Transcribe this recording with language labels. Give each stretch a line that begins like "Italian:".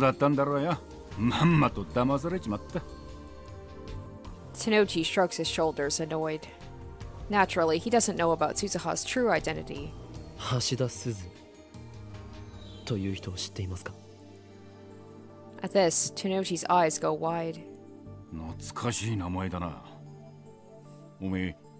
Japanese: せっかく俺が楽でいると思ったのによ。だから嫌なんだ。最近の若いのは根性なしもいいところだぜ。どうせ面接の時に言ってたブラウン管が好きってのも嘘だったんだろうよ。まんまと騙されちまった。
English: Tenochi shrugs his shoulders, annoyed. Naturally, he doesn't know about Suzuha's true identity.
Japanese: Hashida Suzu. という人を知っていますか?
English: At this, Tenochi's eyes go wide.
Japanese: 懐かしい名前だな。おめえ、